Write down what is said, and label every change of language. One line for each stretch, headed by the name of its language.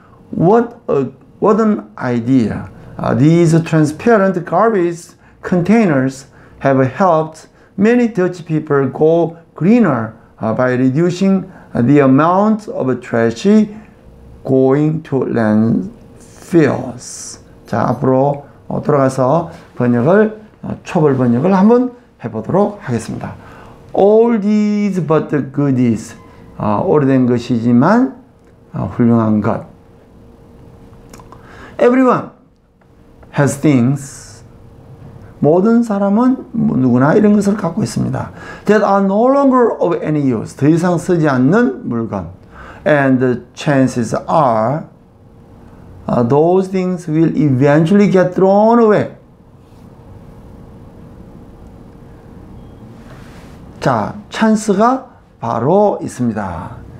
English: What an idea. These transparent garbage containers have helped many Dutch people go greener by reducing the amount of trash going to landfills.
Korean: 자, 앞으로 돌아가서 번역을, 초벌 번역을 한번 해보도록 하겠습니다.
English: All these but the goodies.
Korean: 오래된 것이지만 훌륭한 것.
English: Everyone has things.
Korean: 모든 사람은 누구나 이런 것을 갖고 있습니다.
English: That are no longer of any use.
Korean: 더 이상 쓰지 않는 물건.
English: And the chances are those things will eventually get thrown away.
Korean: 자, 찬스가 바로 있습니다.